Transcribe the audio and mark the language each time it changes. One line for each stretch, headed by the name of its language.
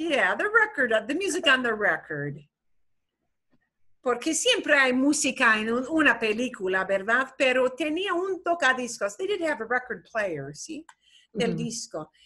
English: Yeah, the record, the music on the record.
Spanish: Porque siempre hay música en una película, ¿verdad? Pero tenía un tocadiscos.
English: They did have a record player,
Spanish: sí, del disco.